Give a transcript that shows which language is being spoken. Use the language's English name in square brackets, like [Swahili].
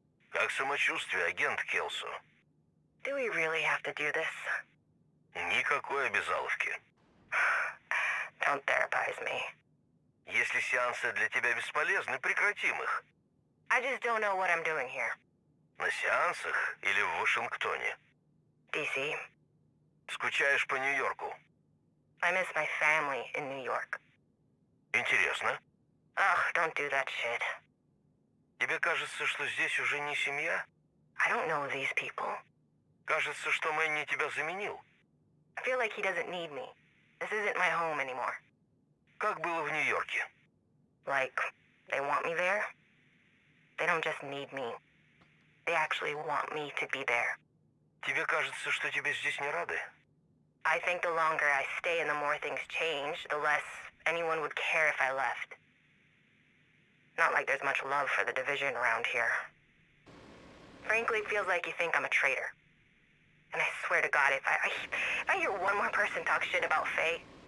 [Russian] Как самочувствие, агент Келсо? [English] Do we really have to do this? [Russian] Никакой обязаловки. [English] Don't therapize me. [Russian] Если сеансы для тебя бесполезны, прекратим их. [English] I just don't know what I'm doing here. [Russian] На сеансах или в Вашингтоне? [English] DC. [Russian] Скучаешь по Нью-Йорку? [English] I miss my family in New York. [Russian] Интересно. [English] Ugh, don't do that shit. [Russian] Тебе кажется, что здесь уже не семья? [English] I don't know these people. [Russian] Кажется, что Мэнни тебя заменил. [English] I feel like he doesn't need me. This isn't my home anymore. [Russian] Как было в Нью-Йорке? [English] Like, they want me there? They don't just need me. They actually want me to be there. [Russian] Тебе кажется, что тебе здесь не рады? [English] I think the longer I stay and the more things change, the less anyone would care if I left. Not like there's much love for the division around here. Frankly, it feels like you think I'm a traitor. And I swear to God, if I hear one more person talk shit about Faye...